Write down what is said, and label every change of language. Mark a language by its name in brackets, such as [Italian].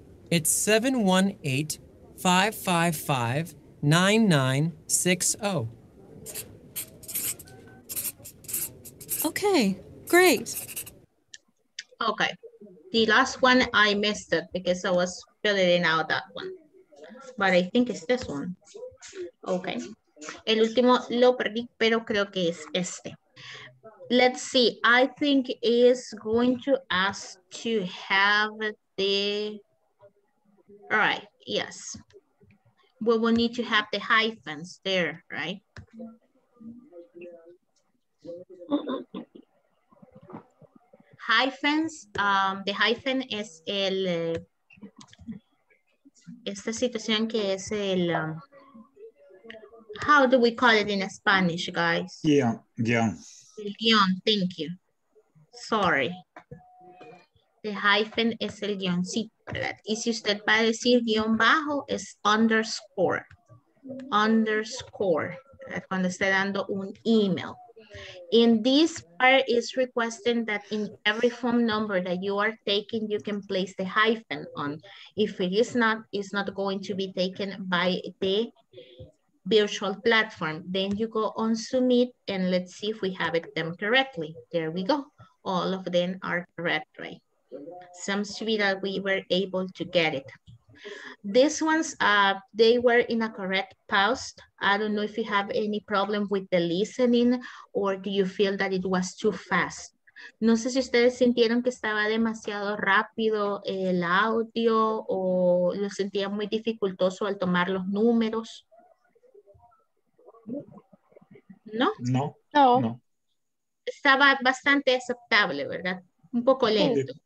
[English] It's 718-555-9960. Okay, great. Okay, the last one I missed it because I was filling out that one. But I think it's this one. Okay. [Spanish] El último lo perdí, pero creo que es este. [English] Let's see. I think it's going to ask to have the... All right, yes. We will need to have the hyphens there, right? Hyphens, the hyphen [Spanish] es el, esta situación que es el, [English] how do we call it in Spanish, guys? [Spanish] Guión. El guión, [English] thank you. Sorry. The hyphen [Spanish] es el guioncito, ¿verdad? Y si usted va a decir guión bajo, es underscore. Underscore, ¿verdad? Cuando esté dando un email. [English] In this part is requesting that in every phone number that you are taking, you can place the hyphen on. If it is not, it's not going to be taken by the virtual platform. Then you go on submit and let's see if we have it them correctly. There we go. All of them are correct, right? Seems to be that we were able to get it. These ones, they were in a correct post. I don't know if you have any problem with the listening or do you feel that it was too fast. [Spanish] No sé si ustedes sintieron que estaba demasiado rápido el audio o lo sentían muy dificultoso al tomar los números. ¿No? No. No. No. Estaba bastante aceptable, ¿verdad? Un poco lento.